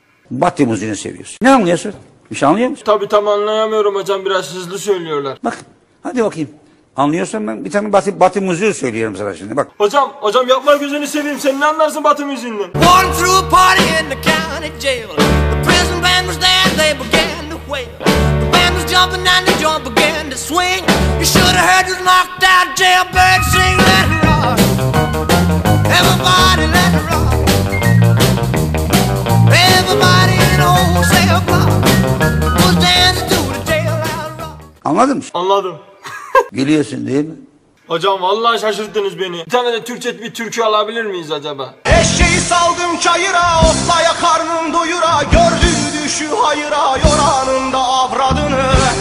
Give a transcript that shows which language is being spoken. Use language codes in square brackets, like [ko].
[tr] Batı müziğini seviyorsun. Ne anlıyorsun? Bir şey anlıyor musun? Tabii tam anlayamıyorum hocam, biraz hızlı söylüyorlar. Bak, hadi bakayım. Anlıyorsan ben bir tane batı müziği söylüyorum sana şimdi, bak. Hocam yapma gözünü seveyim, sen ne anlarsın batı müziğinden? [en] Born through a party in the county jail. The prison band was there and they began to wail. The band was jumping and the joint began to swing. You should have heard those knocked out jailbirds sing. Let it rock. Everybody let it rock. Everybody in old cell block was dancing to the jail rock. [tr] Anladın mı? Anladım. Gülüyorsun değil mi? Hocam vallahi şaşırttınız beni. Bir tane de Türkçe bir türkü alabilir miyiz acaba? Eşeği saldım çayıra, otlaya karnım doyura. Gördüğü düşü hayıra, yoranında avradını.